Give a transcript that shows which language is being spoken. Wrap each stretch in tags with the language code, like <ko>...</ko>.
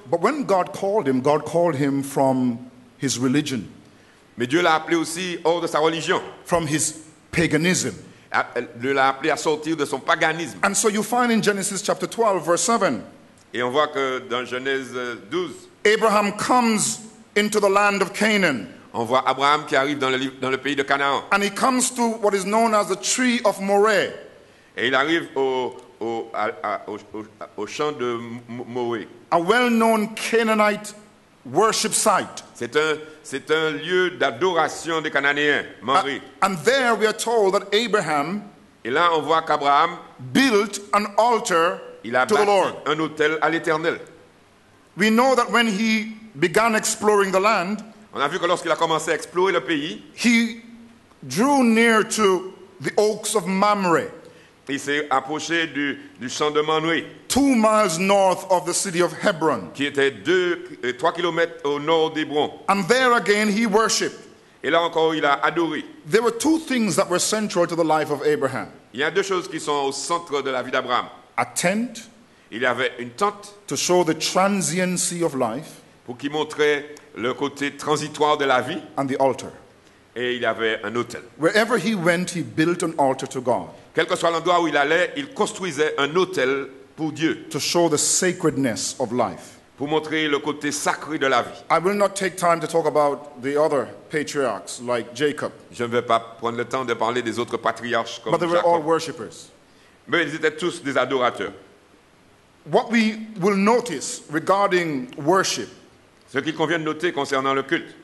<en>But when God called him from his religion.</en> <fr>Mais Dieu l'a appelé aussi hors de sa religion,</fr> <en>from his paganism.</en> <fr>Il l'a appelé à sortir de son paganisme.</fr> <en>And so you find in Genesis chapter 12 verse 7.</en> <fr>Et on voit que dans Genèse 12,</fr> <en>Abraham comes into the land of Canaan.</en> <fr>On voit Abraham qui arrive dans le pays de Canaan.</fr> <en>And he comes to what is known as the tree of Moreh.</en> <fr>Et il arrive au champ de Moreh.</fr> <en>A well-known Canaanite worship site.</en> <fr>C'est un c'est un lieu d'adoration des Cananéens, Mamré.</fr> <en>And there we are told that Abraham,</en> <fr>et là on voit qu'Abraham</fr> <en>built an altar to the Lord.</en> <fr>Un autel à l'Éternel.</fr> <en>We know that when he began exploring the land,</en> <fr>on a vu que lorsqu'il a commencé à explorer le pays,</fr> <en>he drew near to the oaks of Mamré.</en> <fr>Il s'est approché du champ de Mamré.</fr> <en>2 miles north of the city of Hebron.</en> <fr>Qui était 3 kilomètres au nord d'Hébron.</fr> <en>And there again he worshipped.</en> <fr>Et là encore il a adoré.</fr> <en>There were two things that were central to the life of Abraham.</en> <fr>Il y a deux choses qui sont au centre de la vie d'Abraham.</fr> <en>A tent.</en> <fr>Il y avait une tente.</fr> <en>To show the transiency of life.</en> <fr>Pour qu'il montrait le côté transitoire de la vie.</fr> <en>And the altar.</en> <fr>Et il y avait un autel.</fr> <en>Wherever he went, he built an altar to God.</en> <fr>Quel que soit l'endroit où il allait, il construisait un autel pour Dieu.</fr> <en>To show the sacredness of life.</en> <fr>Pour montrer le côté sacré de la vie.</fr> <en>I will not take time to talk about the other patriarchs like Jacob.</en> <fr>Je ne vais pas prendre le temps de parler des autres patriarches comme</fr> <en>Jacob. But they were</en> <fr>Jacob.</fr> <en>All worshippers.</en> <fr>Mais ils étaient tous des adorateurs.</fr> <en>What we will notice regarding worship.</en> <fr>Ce qu'il convient de noter concernant le culte,</fr>